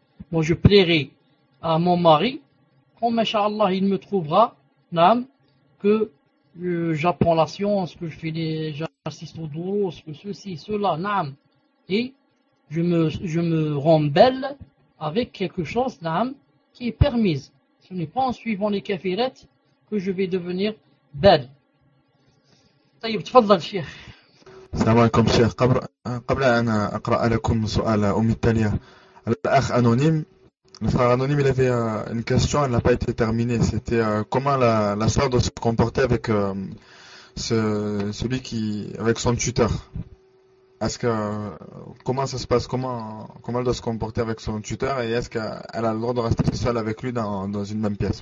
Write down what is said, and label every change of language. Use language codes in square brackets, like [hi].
[fr] Moi, je plairai à mon mari quand, mashallah, il me trouvera, naam, que j'apprends la science, que je fais j'assiste aux douros, que ceci, cela, naam. Et je me rends belle avec quelque chose, naam, qui est permise. Ce n'est pas en suivant les kafirettes que je vais devenir belle. [ar] Taïb, tfadlal, cheikh. Salam alaikum, cheikh. قبل أن أقرأ لكم سؤال أم التالية. الأخ أنونيم, [fr] le frère anonyme, il avait une question, elle n'a pas été terminée. C'était comment la soeur doit se comporter avec celui qui, avec son tuteur. Est-ce que, comment ça se passe, comment elle doit se comporter avec son tuteur et est-ce qu'elle a le droit de rester seule avec lui dans une même pièce?